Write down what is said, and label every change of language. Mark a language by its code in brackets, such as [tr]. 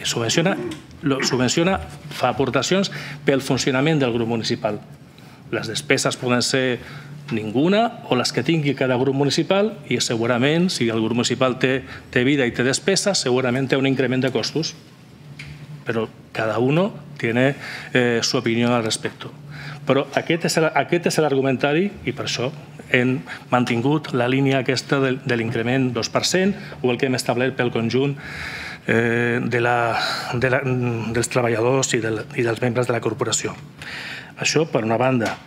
[ca] Subvenciona, fa aportacions pel funcionament del grup municipal. Les despeses poden ser ninguna o les que tingui cada grup municipal i segurament, si el grup municipal té vida i té despeses, segurament té un increment de costos. [es] Però cada uno tiene su opinión al respecto. [ca] Però aquest és l'argumentari i per això hem mantingut la línia aquesta de l'increment 2% o el que hem establert pel conjunt dels treballadors i dels membres de la corporació. Això per una banda.